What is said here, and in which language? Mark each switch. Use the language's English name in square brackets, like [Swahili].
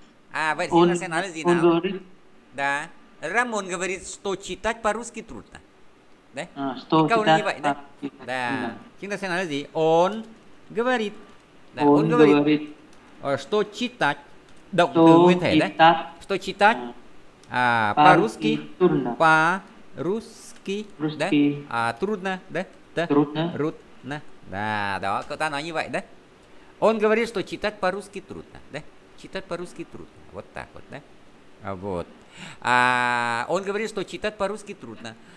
[Vietnamese] À, vậy thì nó sẽ nói là gì nào? [Russian] Да. Рамон говорит, что читать по-русски трудно. [Vietnamese] Đấy. Câu như vậy đấy. [Russian] Да. [Vietnamese] Chúng ta sẽ nói là gì? [Russian] Он говорит. Да, он говорит. Что читать. [Vietnamese] Động từ nguyên thể đấy. Что читать. [Russian] À, по-русски, по-русски, да? À, трудно, да? Трудно. Да, да, [Vietnamese] cậu ta nói như vậy, да? [Russian] Он говорит, что читать по-русски трудно, да? Читать по-русски трудно, вот так вот, да? А, вот. А, он говорит, что читать по-русски трудно.